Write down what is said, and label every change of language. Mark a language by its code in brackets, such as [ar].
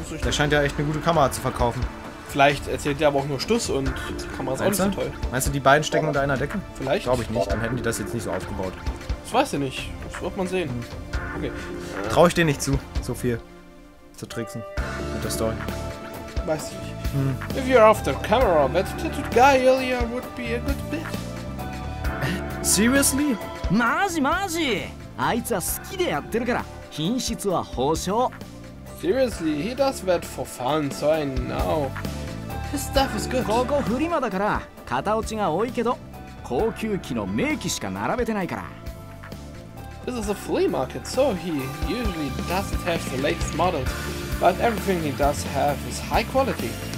[de] Der scheint ja echt eine gute Kamera zu verkaufen. Vielleicht erzählt der aber auch nur Stuss und die Kamera ist auch nicht so toll. Meinst du, die beiden stecken unter einer Decke? Vielleicht. Glaube ich nicht, dann hätten die das jetzt nicht so aufgebaut. Das weiß ich nicht. Das wird man sehen. Okay. Trau ich dir nicht zu, so viel zu tricksen mit der Story. Weiß ich nicht. [en] If you're after camera, that tattooed guy earlier would be a good bit. Seriously? [ja] Maji, maji! あいつは好きでやってるから、品質は保証。 [en] Seriously, he does that for fun, so I know. His stuff is good. [ja] ここフリマだから、片落ちが多いけど、高級機の名機しか並べてないから。 [en] This is a flea market, so he usually doesn't have the latest models, but everything he does have is high quality.